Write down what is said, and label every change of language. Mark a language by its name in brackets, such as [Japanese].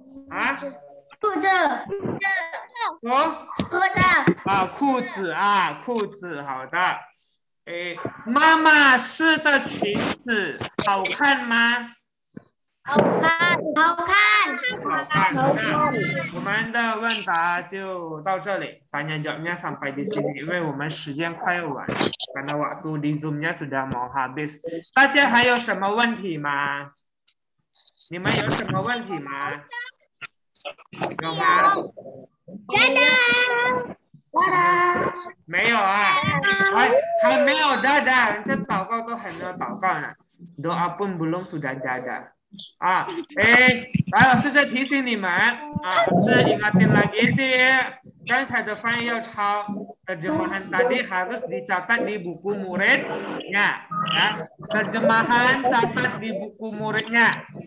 [Chinese] 啊？裤子，哦，裤子啊，裤子啊，裤子，好的。哎，妈妈试的裙子好看吗？好看，好看，好看。好看，我们的问答就到这里， [Indonesian] hanya jawabnya sampai di sini， [Chinese] 因为我们时间快要完了， [Indonesian] karena waktu di zoomnya sudah mau habis。 [Chinese] 大家还有什么问题吗？你们有什么问题吗？有吗？真的？我的没有啊，还没有的的，人家祷告都还没有祷告呢 ， [Indonesian] doa pun belum sudah ada。 [Chinese] 啊，哎，来老师再提醒你们啊，是 [Indonesian] ingatin lagi deh， [Chinese] 刚才的翻译要抄 ， [Indonesian] terjemahan tadi harus dicatat di buku muridnya， [Chinese] 啊 ， [Indonesian] terjemahan catat di buku muridnya。